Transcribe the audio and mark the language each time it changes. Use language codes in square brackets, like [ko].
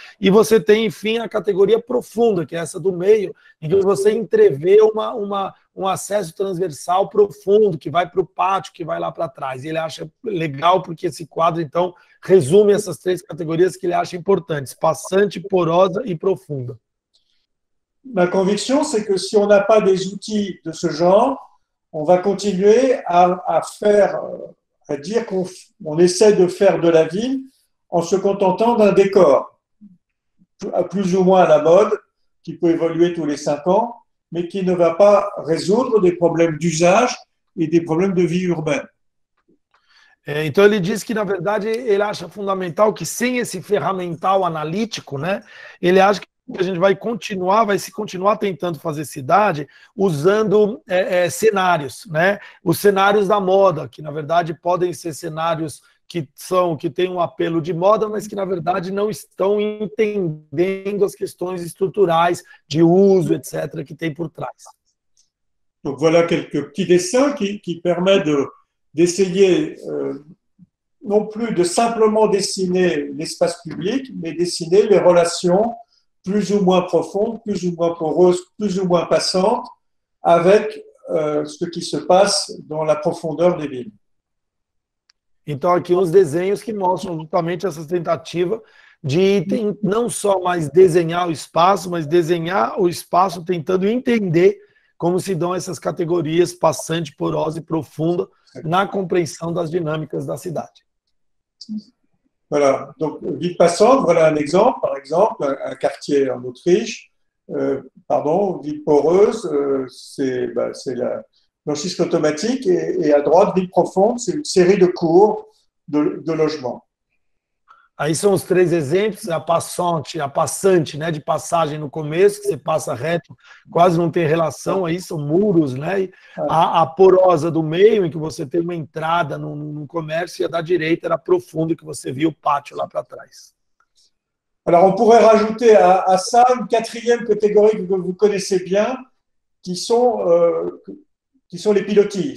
[pt] E você tem, enfim, a categoria profunda, que é essa do meio, em que você entrevê um acesso transversal profundo, que vai para o pátio, que vai lá para trás. E ele acha legal porque esse quadro, então, résume essas três categorias que ele acha importantes: passante, porosa e profunda. [fr] Ma conviction, c'est que si on n'a pas des outils de ce genre, on va continuer à dire qu'on essaie de faire de la ville en se contentant d'un décor, plus ou moins à la mode, qui peut évoluer tous les 5 ans, mais qui ne va pas résoudre des problèmes d'usage et des problèmes de vie urbaine. [pt] Então ele diz que, na verdade, ele acha fundamental que sem esse ferramental analítico, né, ele acha que a gente vai continuar tentando fazer cidade usando cenários, né, os cenários da moda, que na verdade podem ser cenários que têm um apelo de moda, mas que na verdade não estão entendendo as questões estruturais de uso, etc., que tem por trás. [fr] Então, voilà quelques petits dessins qui permettent d'essayer non plus de simplement dessiner l'espace public, mais dessiner les relations plus ou moins profondes, plus ou moins poreuses, plus ou moins passantes, avec ce qui se passe dans la profondeur des villes. [pt] Então, aqui uns desenhos que mostram justamente essa tentativa de não só mais desenhar o espaço, mas desenhar o espaço tentando entender como se dão essas categorias passante, porosa e profunda na compreensão das dinâmicas da cidade. [fr] Voilà, donc ville passante, voilà un exemple, par exemple, un quartier en Autriche, ville poreuse, c'est la l'enchisque automatique, et à droite, ville profonde, c'est une série de cours de logements. [pt] Aí são os três exemplos, a passante, né, de passagem no começo, que você passa reto, quase não tem relação, aí são muros, né, a porosa do meio, em que você tem uma entrada no comércio, e a da direita era profunda, que você via o pátio lá para trás. [fr] Alors, on pourrait rajouter à ça une quatrième catégorie que vous connaissez bien, qui sont les pilotis.